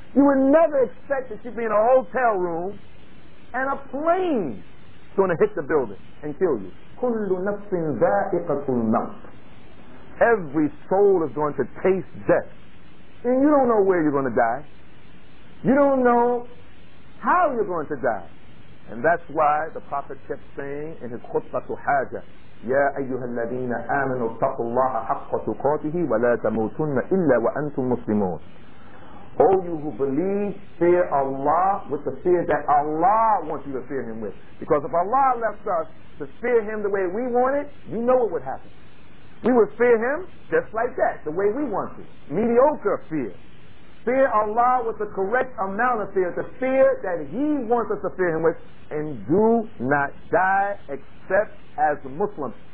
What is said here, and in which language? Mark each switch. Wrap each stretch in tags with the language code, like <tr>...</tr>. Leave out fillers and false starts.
<en>You would never expect that you'd be in a hotel room and a plane is going to hit the building and kill you.</en> <ar>كل نفس ذائقة الموت.</ar> <en>Every soul is going to taste death. And you don't know where you're going to die. You don't know how you're going to die. And that's why the Prophet kept saying in his khutbah al-hajjah,</en> <ar>يَا أَيُّهَا الَّذِينَ آمَنُوا اتَّقُوا اللَّهَ حَقَّ تُقَاتِهِ وَلَا تَمُوتُنَّ إِلَّا وَأَنْتُمْ مُسْلِمُونَ.</ar> <en>O you who believe, fear Allah with the fear that Allah wants you to fear Him with. Because if Allah left us to fear Him the way we want it, you know what would happen. We would fear Him just like that, the way we want to. Mediocre fear. Fear Allah with the correct amount of fear, the fear that He wants us to fear Him with, and do not die except as Muslims.</en>